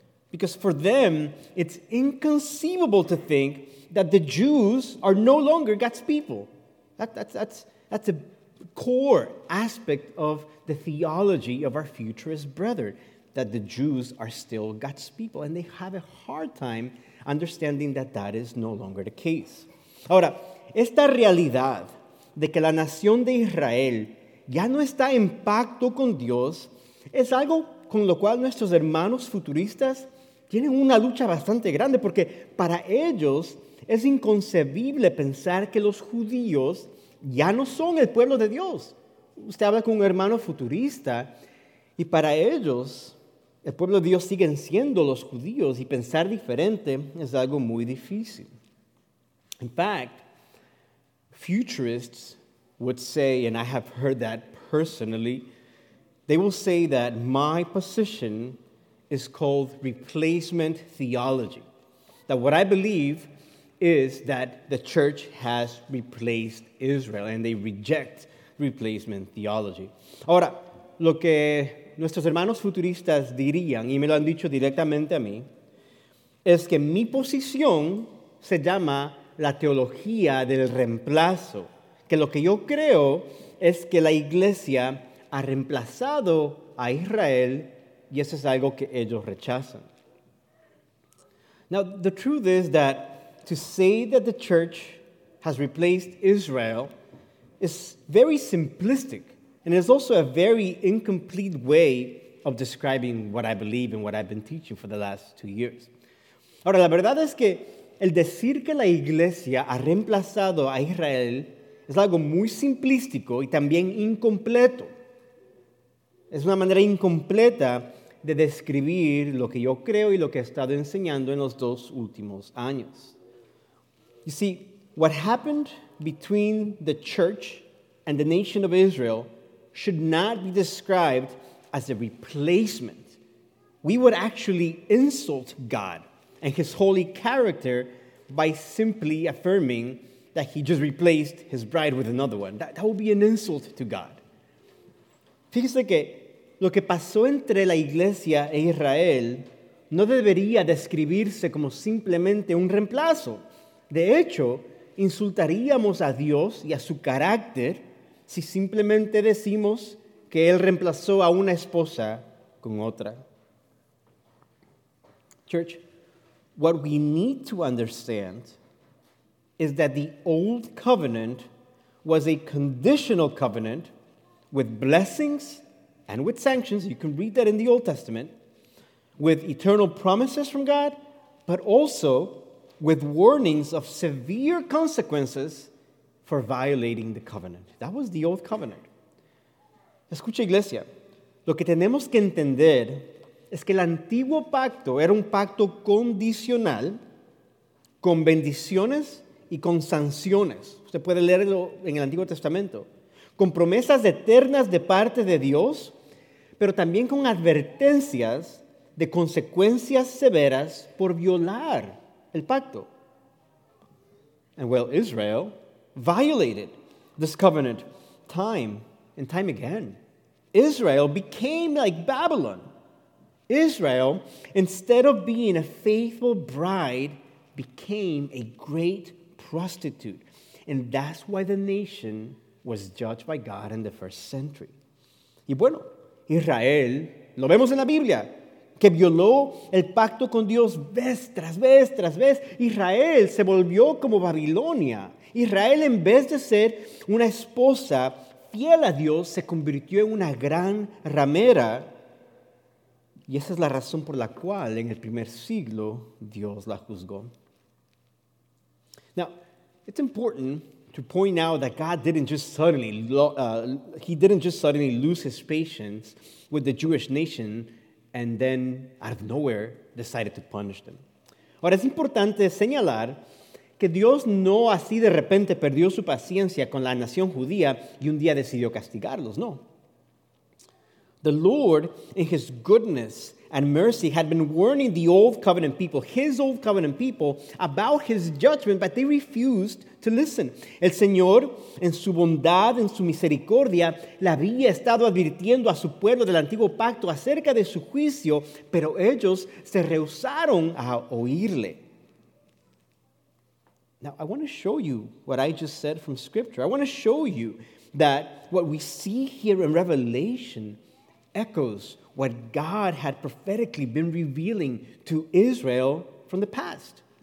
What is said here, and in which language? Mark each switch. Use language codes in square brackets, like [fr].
[en] Because for them, it's inconceivable to think that the Jews are no longer God's people. That's a core aspect of the theology of our futurist brethren, that the Jews are still God's people. And they have a hard time understanding that that is no longer the case. [es] Ahora, esta realidad de que la nación de Israel ya no está en pacto con Dios es algo con lo cual nuestros hermanos futuristas tienen una lucha bastante grande, porque para ellos es inconcebible pensar que los judíos ya no son el pueblo de Dios. Usted habla con un hermano futurista y para ellos el pueblo de Dios siguen siendo los judíos, y pensar diferente es algo muy difícil. [en] In fact, futurists would say, and I have heard that personally, they will say that my position is called replacement theology. That what I believe is that the church has replaced Israel, and they reject replacement theology. [es] Ahora, lo que nuestros hermanos futuristas dirían, y me lo han dicho directamente a mí, es que mi posición se llama la teología del reemplazo. Que lo que yo creo es que la iglesia ha reemplazado a Israel, y eso es algo que ellos rechazan. [en] Now, the truth is that to say that the church has replaced Israel is very simplistic, and it's also a very incomplete way of describing what I believe and what I've been teaching for the last 2 years. [es] Ahora, la verdad es que el decir que la iglesia ha reemplazado a Israel es algo muy simplístico y también incompleto. Es una manera incompleta de describir lo que yo creo y lo que he estado enseñando en los dos últimos años. [en] You see, what happened between the church and the nation of Israel should not be described as a replacement. We would actually insult God and his holy character by simply affirming that he just replaced his bride with another one. That would be an insult to God. [es] Fíjese que lo que pasó entre la iglesia e Israel no debería describirse como simplemente un reemplazo. De hecho, insultaríamos a Dios y a su carácter si simplemente decimos que él reemplazó a una esposa con otra. [en] Church, what we need to understand is that the old covenant was a conditional covenant with blessings and with sanctions. You can read that in the Old Testament, with eternal promises from God, but also with warnings of severe consequences for violating the covenant. That was the old covenant. [es] Escucha, iglesia, lo que tenemos que entender es que el antiguo pacto era un pacto condicional con bendiciones y con sanciones. Usted puede leerlo en el Antiguo Testamento. Con promesas eternas de parte de Dios, pero también con advertencias de consecuencias severas por violar el pacto. [en] And well, Israel violated this covenant time and time again. Israel became like Babylon. Israel, instead of being a faithful bride, became a great prostitute. And that's why the nation was judged by God in the first century. [es] Y bueno, Israel, lo vemos en la Biblia, que violó el pacto con Dios vez tras vez tras vez. Israel se volvió como Babilonia. Israel, en vez de ser una esposa fiel a Dios, se convirtió en una gran ramera. Y esa es la razón por la cual en el primer siglo Dios la juzgó. [en] Now, it's important to point out that God didn't just suddenly lose his patience with the Jewish nation and then, out of nowhere, decided to punish them. [es] Ahora, es importante señalar que Dios no así de repente perdió su paciencia con la nación judía y un día decidió castigarlos, no. [en] The Lord, in his goodness and mercy, had been warning the old covenant people, his old covenant people, about his judgment, but they refused to listen. [es] El Señor, en su bondad, en su misericordia, le había estado advirtiendo a su pueblo del antiguo pacto acerca de su juicio, pero ellos se rehusaron a oírle. [en] Now, I want to show you what I just said from Scripture. I want to show you that what we see here in Revelation echoes what God had prophetically been revealing to Israel from the past.